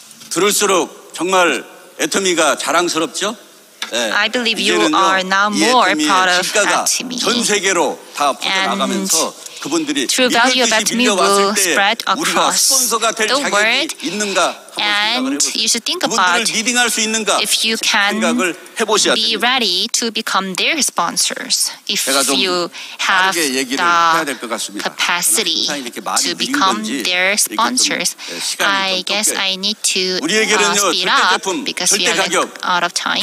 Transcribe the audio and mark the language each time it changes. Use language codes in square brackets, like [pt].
[ko] 들을수록 정말 애터미가 자랑스럽죠? 네. [en] I believe you are now more proud of Atomy. [ko] 전 세계로 다 퍼져나가면서 그분들이 [en] true value of Atomy will spread across the world. [ko] And 생각을 [en] you should think about [ko] 리딩할 수 있는가 [en] if you can be ready to become their sponsors. If you have the capacity to become their sponsors, I guess I need to speed up because we are out of time.